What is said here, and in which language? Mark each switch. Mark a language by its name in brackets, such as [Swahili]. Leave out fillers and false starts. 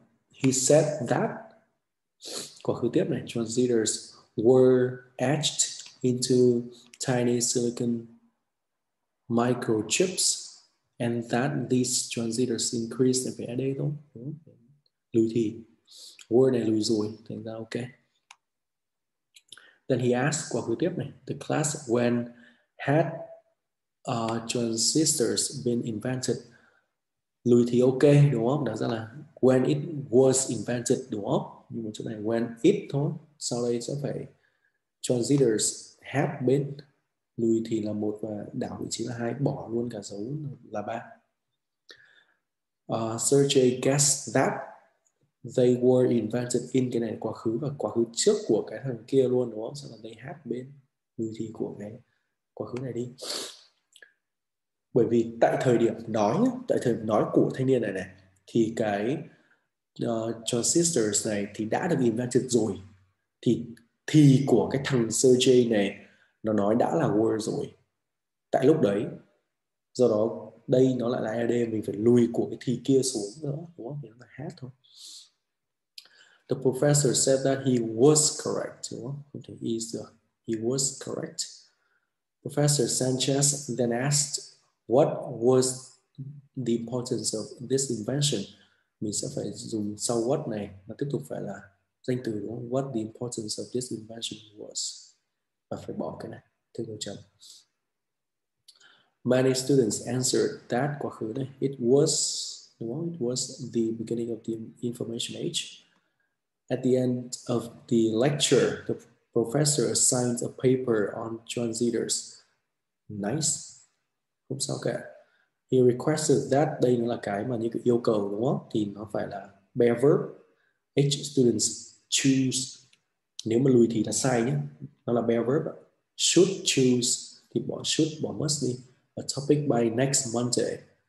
[English] He said that, [Vietnamese] quá khứ tiếp này, [English] transistors were etched into tiny silicon microchips and that these transistors increased the ED [Vietnamese] đúng không? Lùi thì word này lùi rồi, thành ra ok. [English] Then he asked, [Vietnamese] quá khứ tiếp này, [English] the class when had transistors been invented. [Vietnamese] Lùi thì ok đúng không? Đáng ra là [English] when it was invented [Vietnamese] đúng không? Nhưng mà chỗ này when it thôi. Sau đây sẽ phải [English] transistors have been [Vietnamese] lùi thì là một và đảo vị trí là hai, bỏ luôn cả dấu là ba. [English] Sergei guessed that they were invented in, [Vietnamese] cái này quá khứ và quá khứ trước của cái thằng kia luôn đúng không? Sẽ là [English] they had been, [Vietnamese] lùi thì của cái quá khứ này đi. Bởi vì tại thời điểm nói, tại thời điểm nói của thanh niên này này thì cái transistors này thì đã được invented rồi, thì của cái thằng Sergey này nó nói đã là were rồi tại lúc đấy, do đó đây nó lại là AD, mình phải lùi của cái thì kia xuống nữa đúng không, thì nó là had thôi. [English] The professor said that he was correct [Vietnamese] đúng không, không thể is được, [English] he was correct. Professor Sanchez then asked what was the importance of this invention? [Vietnamese] Mình sẽ phải dùng sau what này, nó tiếp tục phải là danh từ đúng không? [English] What the importance of this invention was? [Vietnamese] Và phải bỏ cái này, thêm dấu chấm. [English] Many students answered that, [Vietnamese] quá khứ đây. [English] It was the beginning of the information age. At the end of the lecture, the professor assigned a paper on transistors. Nice. [Vietnamese] Không sao cả. [English] He requested that, [Vietnamese] đây nó là cái mà như cái yêu cầu đúng không? Thì nó phải là bare verb. [English] Each students choose. [Vietnamese] Nếu mà lùi thì là sai nhé. Nó là bare verb. [English] Should choose [Vietnamese] thì bỏ should, bỏ must đi. [English] A topic by next Monday.